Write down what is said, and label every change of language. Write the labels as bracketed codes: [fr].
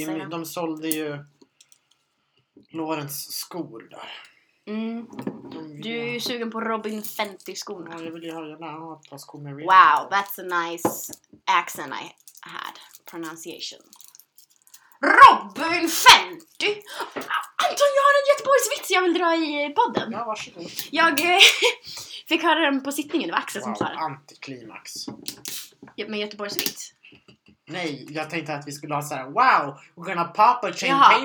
[sv] De sålde ju Lorens skor där. Mm. Du är ju sugen på Robin Fenty skor. Ja, jag vill ju ha en annan skor med. [en] Wow, that's a nice accent I had. pronunciation. Robin Fenty! [sv] Anton, jag har en Göteborgsvits jag vill dra i podden. Ja, varsågod. Jag fick höra den på sittningen. Det var Axel som sa det. Antiklimax. Ja, med Göteborgsvits. Nej, jag tänkte att vi skulle ha så här: [en] wow, we're gonna pop a champagne